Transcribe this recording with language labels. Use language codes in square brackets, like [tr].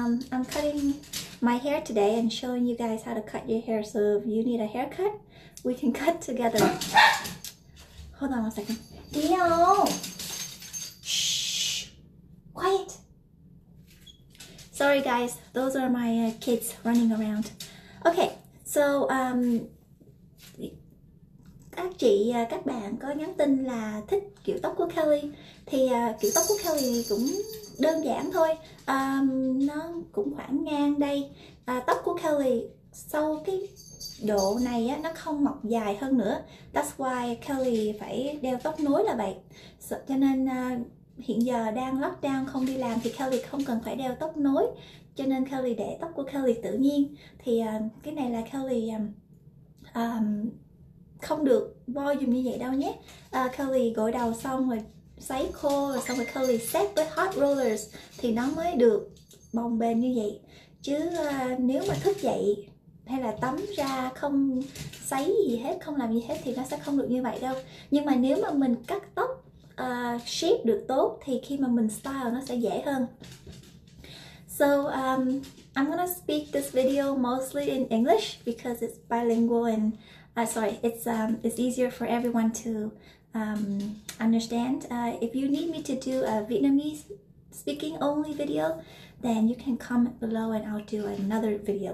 [en] I'm cutting my hair today and showing you guys how to cut your hair. So if you need a haircut, we can cut together. Hold on one second. Dio! Shh! Quiet! Sorry guys, those are my kids running around. Okay, so [vi] các chị, các bạn có nhắn tin là thích kiểu tóc của Kelly. Thì kiểu tóc của Kelly cũng đơn giản thôi. Nó cũng khoảng ngang đây. Tóc của Kelly sau cái độ này á, nó không mọc dài hơn nữa. [en] That's why [vi] Kelly phải đeo tóc nối là vậy. So, cho nên hiện giờ đang lockdown không đi làm thì Kelly không cần phải đeo tóc nối. Cho nên Kelly để tóc của Kelly tự nhiên. Thì cái này là Kelly không được volume như vậy đâu nhé. Kelly gội đầu xong rồi sấy khô, xong rồi Kelly set với hot rollers thì nó mới được bồng bềnh như vậy. Chứ nếu mà thức dậy hay là tắm ra không sấy gì hết, không làm gì hết thì nó sẽ không được như vậy đâu. Nhưng mà nếu mà mình cắt tóc shape được tốt thì khi mà mình style nó sẽ dễ hơn. [en] So I'm gonna speak this video mostly in English because it's bilingual and it's easier for everyone to understand. If you need me to do a Vietnamese speaking only video, then you can comment below and I'll do another video.